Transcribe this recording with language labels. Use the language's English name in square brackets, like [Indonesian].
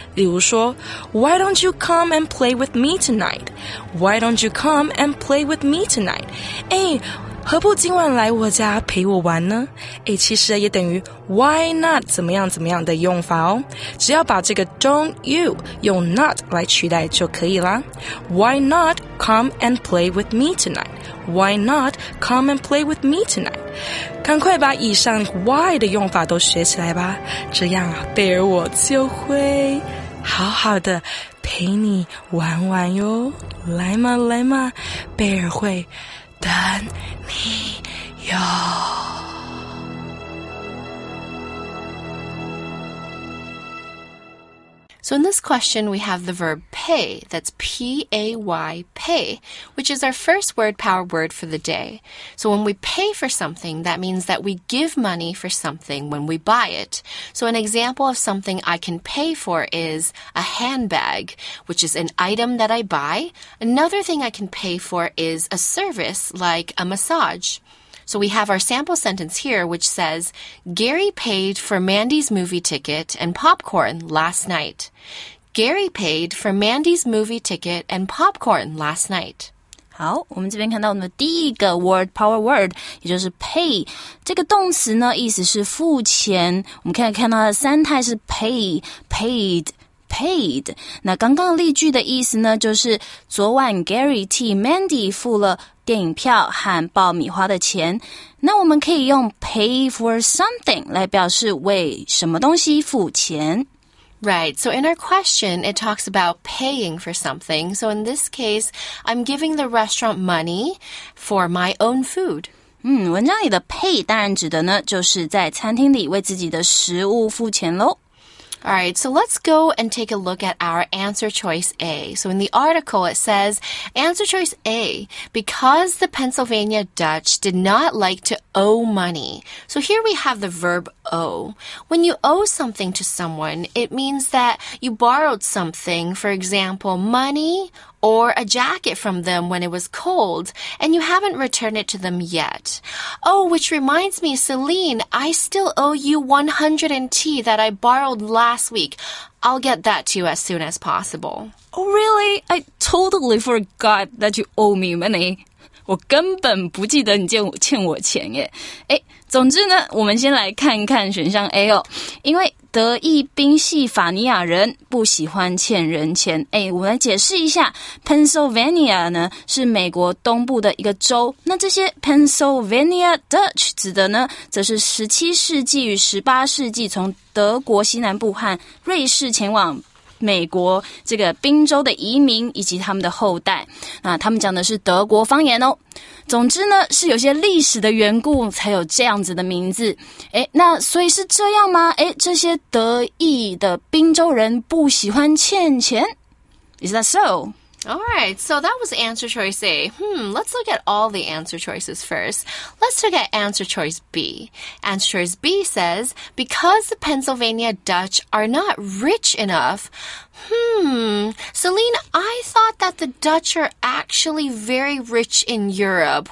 [Chinese] 例如说 [English] why don't you come and play with me tonight， why don't you come and play with me tonight， [Chinese] 诶何不今晚来我家陪我玩呢？诶，其实也等于 [English] why not [Chinese] 怎么样怎么样的用法哦。只要把这个 [English] don't you [Chinese] 用 not 来取代就可以啦。 [English] Why not come and play with me tonight? Why not come and play with me tonight? [Chinese] 赶快把以上 why 的用法都学起来吧，这样啊，贝尔我就会好好的陪你玩玩哟。来嘛来嘛，贝尔会等你哟。 [English] So in this question, we have the verb pay. That's P-A-Y, pay, which is our first word power word for the day. So when we pay for something, that means that we give money for something when we buy it. So an example of something I can pay for is a handbag, which is an item that I buy. Another thing I can pay for is a service like a massage. So we have our sample sentence here, which says, Gary paid for Mandy's movie ticket and popcorn last night. Gary paid for Mandy's movie ticket and popcorn last night. [Chinese] 好，我们这边看到我们的第一个 [English] word power word， [Chinese] 也就是 pay。这个动词呢，意思是付钱。我们可以看到它的三态是 pay、paid、paid。那刚刚的例句的意思呢，就是昨晚 Gary 替 Mandy 付了电影票和爆米花的钱。那我们可以用 [English] pay for something [Chinese] 来表示为什么东西付钱。 [English] Right, so in our question, it talks about paying for something. So in this case, I'm giving the restaurant money for my own food. [Chinese] 文章里的 pay 当然指的呢就是在餐厅里为自己的食物付钱咯。 [English] Alright, so let's go and take a look at our answer choice A. So in the article, it says, answer choice A, because the Pennsylvania Dutch did not like to owe money. So here we have the verb owe. When you owe something to someone, it means that you borrowed something, for example, money or a jacket from them when it was cold, and you haven't returned it to them yet. Oh, which reminds me, Celine, I still owe you 100 NT that I borrowed last week. I'll get that to you as soon as possible. Oh, really? I totally forgot that you owe me money. [Chinese] 我根本不记得你欠我钱耶。诶，总之呢，我们先来看看选项 A 哦，因为德意宾夕法尼亚人不喜欢欠人钱。诶，我来解释一下， Pennsylvania 呢是美国东部的一个州，那这些 Pennsylvania Dutch 指的呢则是17世纪与18世纪从德国西南部和瑞士前往美国这个宾州的移民以及他们的后代。那他们讲的是德国方言哦。总之呢是有些历史的缘故才有这样子的名字。诶，那所以是这样吗？诶，这些德裔的宾州人不喜欢欠钱？ [English] Is that so? Alright, so that was answer choice A. Let's look at all the answer choices first. Let's look at answer choice B. Answer choice B says, because the Pennsylvania Dutch are not rich enough. Celine, I thought that the Dutch are actually very rich in Europe.